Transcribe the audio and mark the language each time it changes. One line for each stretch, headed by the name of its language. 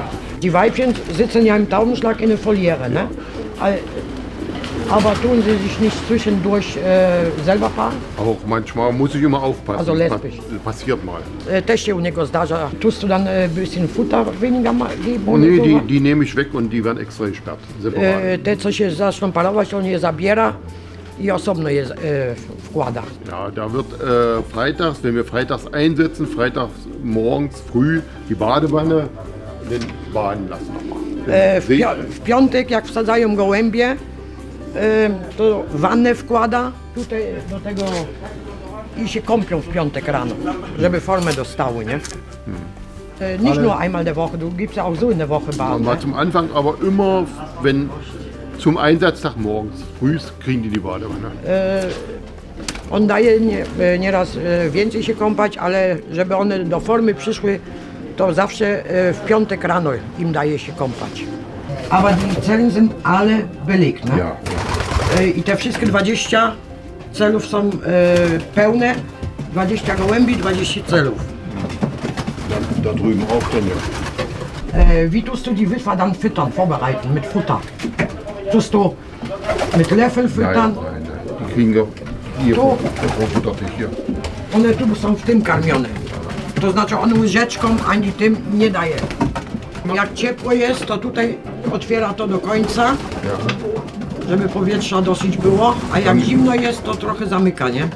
German: nicht. Die Weibchen sitzen ja im Taubenschlag in der Voliere, ne? Aber tun sie sich nicht zwischendurch selber paaren? Auch manchmal muss ich immer aufpassen. Also lesbisch. Passiert mal.
Polish: Też się u niego zdarza.
German: Tust du dann ein bisschen Futter weniger mal geben? Nee, die nehme ich weg und die werden extra gesperrt.
Polish: Te, co się zaczną parować, on je zabiera i osobno je wkłada.
German: Ja, da wird freitags, wenn wir freitags einsetzen, freitags morgens früh die Badewanne, den baden lassen.
Polish: W piątek, jak wsadzają gołębie, to wannę wkłada tutaj do tego i się kąpią w piątek rano, żeby formę dostały, nie?
German: Nicht nur einmal der Woche, du gibst ja auch so in der Woche Bad. Man war zum Anfang, aber immer, wenn zum Einsatztag morgens früh kriegen die Badewanne.
Polish: On daje nieraz więcej się kąpać, ale żeby one do formy przyszły, to zawsze w piątek rano im daje się kąpać.
German: Aber die Zellen sind alle belegt, ne? Ja.
Polish: I te wszystkie 20 celów są pełne. 20 gołębi, 20 celów.
German: Da drüben auch denn ja. Wie tust du die Witwa dann füttern, vorbereiten mit Futter? Tust du mit Löffel füttern? Nein. Die kriegen hier vom Futtertisch.
Polish: One tu są w tym karmione. To znaczy on łyżeczką ani tym nie daje. Jak ciepło jest, to tutaj otwiera to do końca,
German: ja,
Polish: żeby powietrza dosyć było, a jak zimno jest, to trochę zamyka, nie?